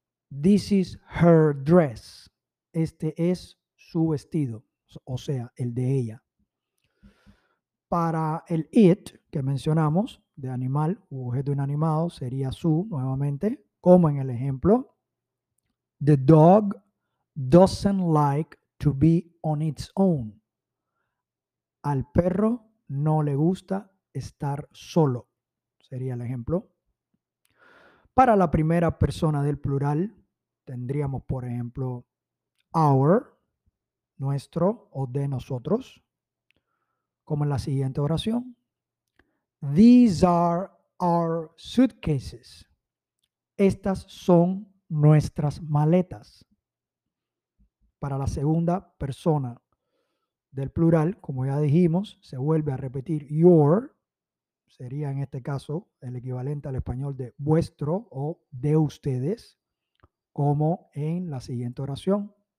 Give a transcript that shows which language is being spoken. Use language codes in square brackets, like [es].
[en] This is her dress. [es] Este es su vestido, o sea, el de ella. Para el it que mencionamos, de animal, objeto inanimado, sería su nuevamente, como en el ejemplo. [en] The dog doesn't like to be on its own. [es] Al perro no le gusta estar solo, sería el ejemplo. Para la primera persona del plural, tendríamos, por ejemplo, our, nuestro o de nosotros, como en la siguiente oración. [en] These are our suitcases. [es] Estas son nuestras maletas. Para la segunda persona del plural, como ya dijimos, se vuelve a repetir your, sería en este caso el equivalente al español de vuestro o de ustedes, como en la siguiente oración.